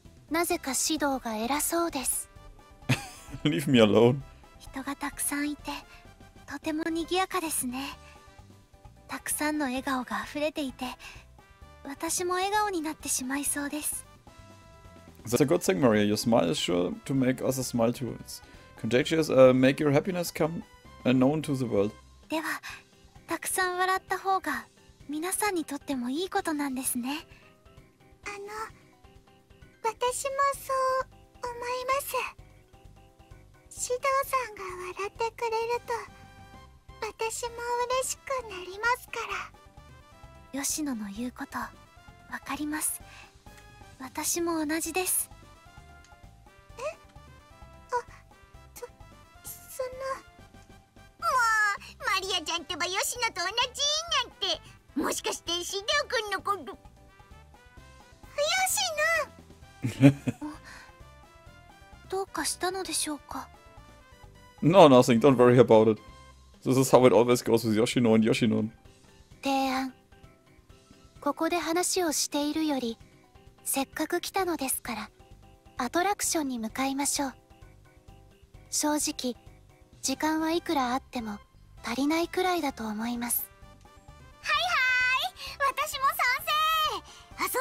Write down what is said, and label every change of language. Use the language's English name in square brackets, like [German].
[Japanese] なぜか指導が偉そうです。 [English] Leave me alone. [Japanese] 人がたくさんいて、とても賑やかですね。たくさんの笑顔が溢れていて、私も笑顔になってしまいそうです。 [English] That's a good thing, Maria. Your smile is sure to make others smile too. It's contagious. Make your happiness come known to the world. [Japanese] では、たくさん笑った方が皆さんにとってもいいことなんですね。あの、私もそう思います。指導さんが笑ってくれると、私も嬉しくなりますから。吉野の言うこと、わかります。私も同じです。え？あ、その… もう、マリアちゃんってば吉野と同じなんて、もしかして指導くんのこと… 吉野！どうかしたのでしょうか？ [English] No, nothing. Don't worry about it. This is how it always goes with Yoshino and Yoshino. [Japanese] 提案。ここで話をしているより、せっかく来たのですから、アトラクションに向かいましょう。正直、時間はいくらあっても足りないくらいだと思います。はいはい！私も賛成！